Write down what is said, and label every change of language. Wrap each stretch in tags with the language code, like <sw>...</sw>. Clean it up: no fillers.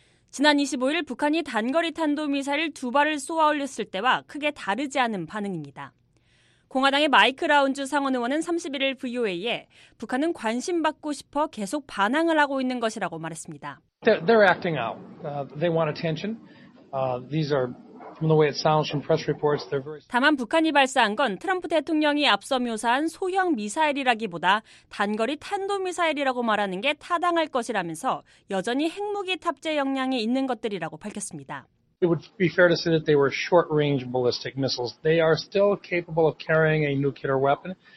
<ko>지난 25일 북한이 단거리 탄도미사일 두 발을 쏘아 올렸을 때와 크게 다르지 않은 반응입니다. 공화당의 마이크 라운주 상원 의원은 31일 VOA에 북한은 관심 받고 싶어 계속 반항을 하고 있는 것이라고 말했습니다.</ko> <en>They're acting out. They want attention. These are from the way it sounds from press reports. They're very.</en> <ko>다만 북한이 발사한 건 트럼프 대통령이 앞서 묘사한 소형 미사일이라기보다 단거리 탄도 미사일이라고 말하는 게 타당할 것이라면서 여전히 핵무기 탑재 역량이 있는 것들이라고 밝혔습니다.</ko> <en>It would be fair to say that they were short-range ballistic missiles. They are still capable of carrying a nuclear weapon.</en>